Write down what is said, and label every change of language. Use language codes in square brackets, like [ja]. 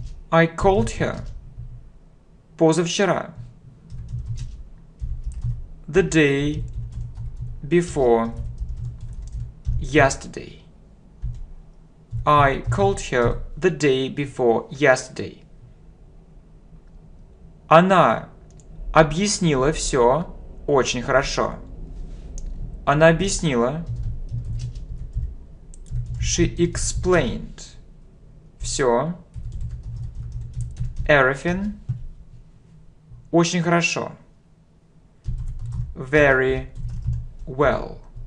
[en] I called her [ru] позавчера. [en] The day before yesterday. I called her the day before yesterday. [ru] Она объяснила все очень хорошо. Она объяснила. [en] She explained [ru] все. [en] Everything. [ru] Очень хорошо. [en] Very well.